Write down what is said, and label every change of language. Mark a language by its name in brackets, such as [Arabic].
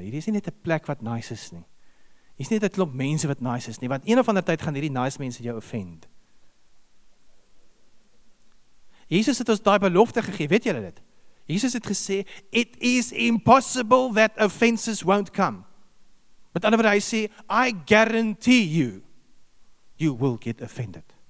[Afrikaans] Hierdie is nie net 'n plek wat nice is nie. Hier is nie net 'n klomp mense wat nice is nie, want een of ander tyd gaan hierdie nice mense jou offend. Jesus het ons daai belofte gegee, weet julle dit? Jesus het gesê, [English] it is impossible that offenses won't come. [Afrikaans] Met ander woorde, hy sê, [English] I guarantee you, you will get offended.